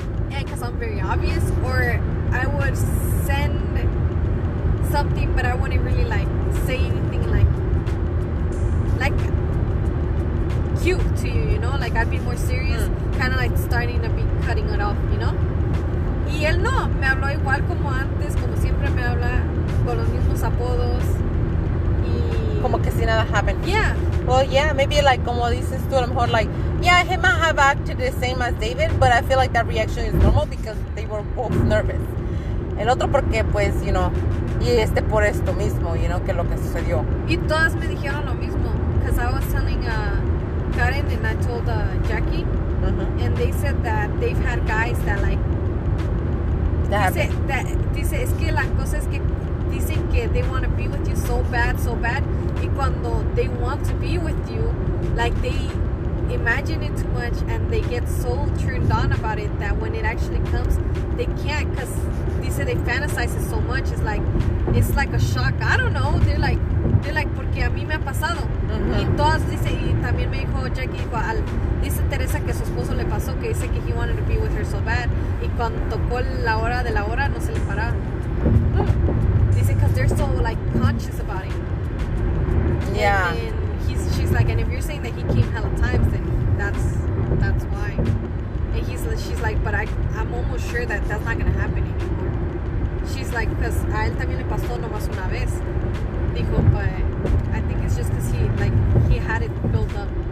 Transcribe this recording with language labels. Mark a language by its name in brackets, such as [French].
[English] And because I'm very obvious. Or I would send something, but I wouldn't really, like, say anything, like, cute to you, you know? Like, I'd be more serious. Kind of like starting to be cutting it off, you know? [Spanish] Y él no. Me habló igual como antes, como siempre me habla, con los mismos apodos. Y... como que si nada [English] happened. Yeah. Well, yeah, maybe, like, [Spanish] como dices tú, a lo mejor, [English] like, yeah, he might have acted the same as David, but I feel like that reaction is normal because they were both nervous. [Spanish] El otro porque, pues, [English] you know, [Spanish] y este por esto mismo, you know, que lo que sucedió. Y todas me dijeron lo mismo, [English] because I was telling Karen and I told Jackie, and they said that they've had guys that, like, [Spanish] dice, es que la cosa es que dicen que [English] they want to be with you so bad, [Spanish] y cuando [English] they want to be with you, like, they imagine it too much, and they get so turned on about it that when it actually comes, they can't, because they fantasize it so much, it's like a shock, I don't know, they're like, [Spanish] de like, porque a mí me ha pasado. Uh-huh. Y todas dice, y también me dijo Jackie, dijo al, dice Teresa que su esposo le pasó, que dice que [English] he wanted to be with her so bad, [Spanish] y cuando tocó la hora de la hora no se le paraba. Dice [English] because they're so like conscious about it. Yeah. And he's, she's like, and if you're saying that he came hella times, then that's why. And he's, she's like, but I'm almost sure that that's not gonna happen anymore. She's like, because [Spanish] a él también le pasó nomás una vez. Dijo, [English] but I think it's just because he had it built up.